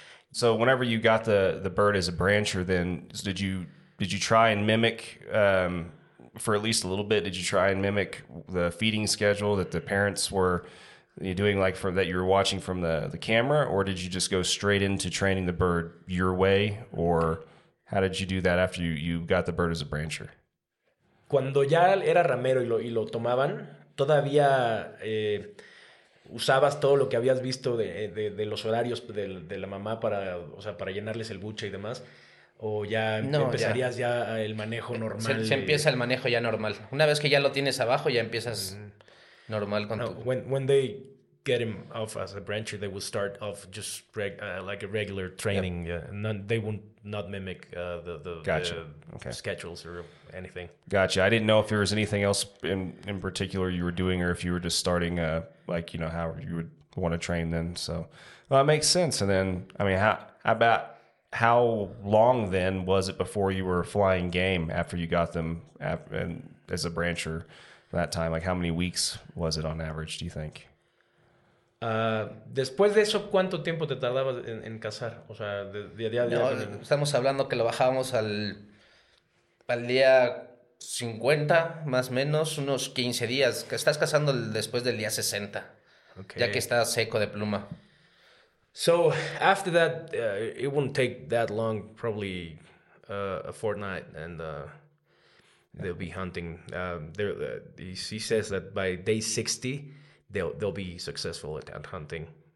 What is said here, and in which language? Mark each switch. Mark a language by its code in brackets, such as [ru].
[en] so whenever you got the bird as a brancher, then did you try and mimic for at least a little bit, did you try and mimic the feeding schedule that the parents were you doing, like from that you were watching from the camera, or did you just go straight into training the bird your way, or how did you do that after you got the bird as a brancher? [es] Cuando ya era ramero y lo tomaban, todavía usabas todo lo que habías visto de los horarios de la mamá para, o sea, para llenarles el buche y demás, o ya no, empezarías ya el manejo normal. Se empieza el manejo ya normal. Una vez que ya lo tienes abajo, ya empiezas. Mm-hmm. Normal. [en] When they get him off as a brancher, they will start off just like a regular training. Yep. Yeah, and they will not mimic the gotcha. Schedules or anything. Gotcha. I didn't know if there was anything else in particular you were doing, or if you were just starting like, you know, how you would want to train then. So, well, that makes sense. And then, I mean, how long then was it before you were flying game after you got them as a brancher? that time? Like, how many weeks was it on average, do you think? [es] Después de eso, ¿cuánto tiempo te tardabas en cazar? O sea, de día. No, estamos hablando que lo bajábamos al día 50, más o menos, unos 15 días. Estás cazando después del día 60, okay. Ya que está seco de pluma. [en] So, after that, it wouldn't take that long, probably a fortnight, and they'll be hunting. He says that by day 60, they'll be successful at hunting.